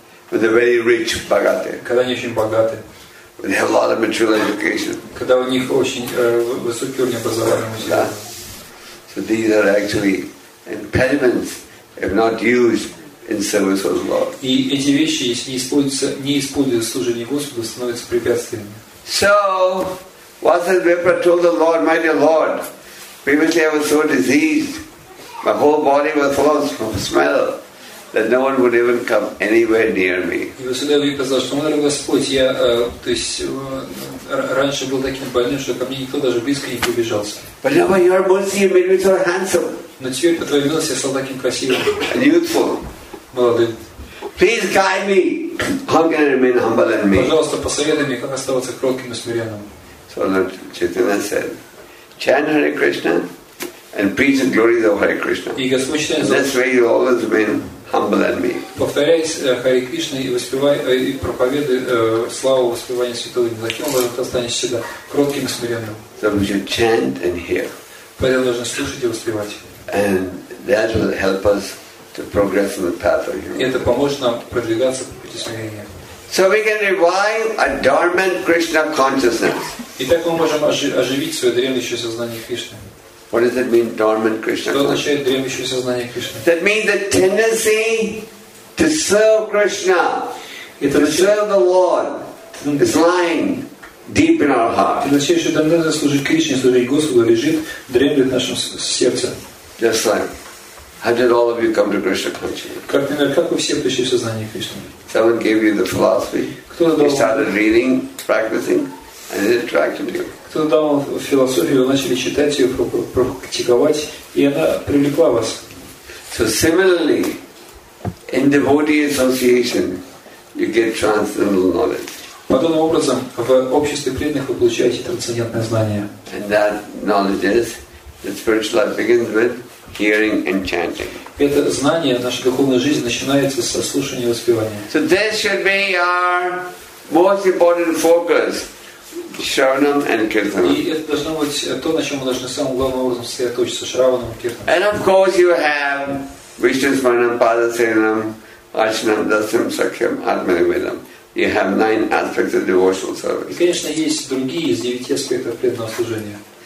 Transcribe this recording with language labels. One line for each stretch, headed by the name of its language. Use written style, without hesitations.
English: When they're very rich,
Russian: богатые. Когда они очень богаты.
English: When they have a lot of material education.
Russian: Когда у них очень высокий уровень образования.
English: So these are actually impediments if not used in service of the Lord.
Russian: И эти вещи, если не используются в служении Господу, становятся препятствиями.
English: So, Vasudeva Vipra told the Lord, "My dear Lord, previously I was so diseased, my whole body was full of smell, that no one would even come anywhere near me."
Russian: И Vasudeva Vipra сказал, что, мой Господь, я, то есть, раньше был таким больным, что ко мне никто даже близко не приближался.
English: But now by your mercy, you made me so handsome.
Russian: Но теперь по твоей милости я стал таким красивым.
English: And youthful.
Russian: Молодым.
English: Please guide me. How can I remain humble and meek?
Russian: Пожалуйста, посоветуй мне, как оставаться кротким и смиренным.
English: So Lord Chaitanya said, "Chant Hare Krishna and preach the glories of Hare Krishna."
Russian: И Господь Читанья сказал.
English: That's where you always remain humble and meek.
Russian: Повторяй Хари Кришна и воспевай и проповедуй славу воспевания святого имени. Затем ты останешься всегда кротким и смиренным.
English: So we should chant and hear.
Russian: Поэтому нужно слушать и воспевать.
English: And that will help us to progress on the path of humanity.
Russian: Это поможет нам продвигаться по пути смирения.
English: So we can revive a dormant Krishna consciousness.
Russian: И так мы можем оживить свое дремлющее сознание Кришны.
English: What does it mean, dormant Krishna?
Russian: Что означает дремлющее сознание Кришны?
English: That means the tendency to serve Krishna, to serve the Lord, is lying deep in our heart.
Russian: Это означает, что тенденция служить Кришне, служить Господу лежит, дремлет в нашем сердце.
English: Just like. How did all of you come to Krishna consciousness?
Russian: Как вы все пришли в сознание Кришны?
English: Someone gave you the philosophy. You started reading, practicing, and it attracted you.
Russian: Кто дал вам философию, вы начали читать ее, практиковать, и она привлекла вас.
English: So similarly, in devotee association, you get transcendental knowledge.
Russian: Подобным образом, в обществе преданных вы получаете трансцендентное знание.
English: And that knowledge is that spiritual life begins with hearing and chanting.
Russian: Это знание, наша духовная жизнь начинается со слушания и воспевания.
English: So this should be our most important focus, Shravanam and Kirtanam.
Russian: И это должно быть то, на чем мы должны самым главным образом сосредоточиться, Шраванам и Киртанам.
English: And of course you have Vishnusmaranam, Padasenam, Archanam, Dasyam, Sakhyam, Atmanivedam. You have 9 aspects of devotional service.
Russian: И, конечно, есть другие из 9 аспектов преданного служения.